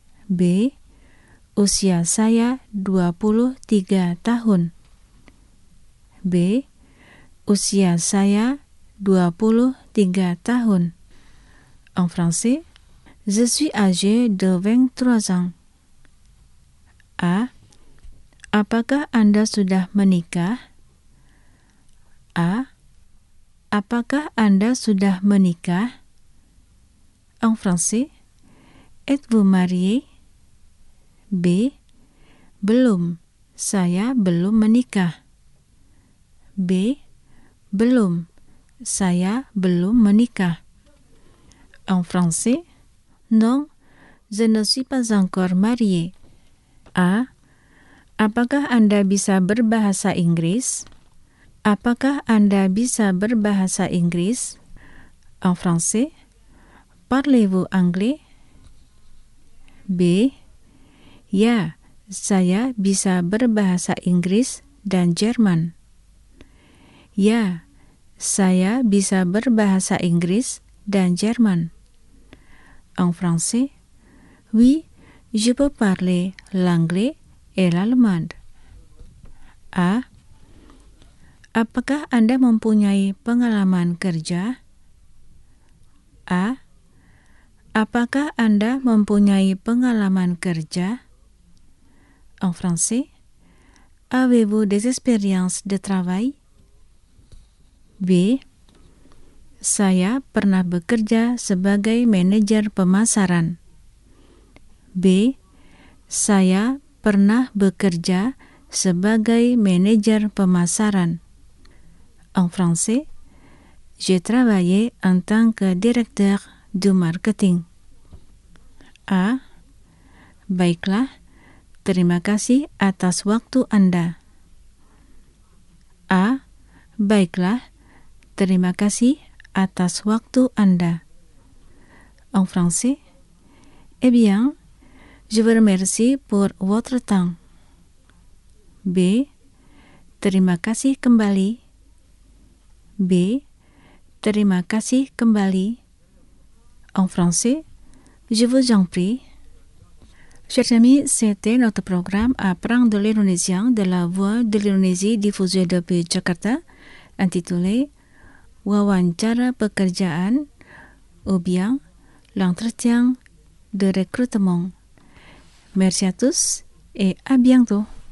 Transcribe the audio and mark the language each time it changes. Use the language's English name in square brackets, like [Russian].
[Indonesian] B. Usia saya 23 tahun. B. Usia saya 23 tahun. [French] En français, je suis âgé de 23 ans. A. [Indonesian] Apakah Anda sudah menikah? A. Apakah Anda sudah menikah? [French] En français, êtes-vous marié? [Indonesian] B. Belum, saya belum menikah. B. Belum, saya belum menikah. [French] En français, non, je ne suis pas encore marié. A. [Indonesian] Apakah Anda bisa berbahasa Inggris? Apakah Anda bisa berbahasa Inggris? [French] En français, parlez-vous anglais? B. [Indonesian] Ya, saya bisa berbahasa Inggris dan Jerman. Ya, saya bisa berbahasa Inggris dan Jerman. [French] En français, oui, je peux parler l'anglais et l'allemand. A. [Indonesian] Apakah Anda mempunyai pengalaman kerja? A. Apakah Anda mempunyai pengalaman kerja? [French] En français, avez-vous des expériences de travail? B. [Indonesian] Saya pernah bekerja sebagai manajer pemasaran. B. Saya pernah bekerja sebagai manajer pemasaran. [French] En français, j'ai travaillé en tant que directeur du marketing. A. [Indonesian] Baiklah, terima kasih atas waktu Anda. A. Baiklah, terima kasih atas waktu Anda. [French] En français, eh bien, je vous remercie pour votre temps. [Indonesian] B. Terima kasih kembali. B. Terima kasih kembali. [French] En français, je vous en prie. Chers amis, c'était notre programme Apprendre l'Indonésien de la Voix de l'Indonésie diffusé depuis Jakarta, intitulé Wawancara Pekerjaan ou bien L'entretien de recrutement. Merci à tous et à bientôt.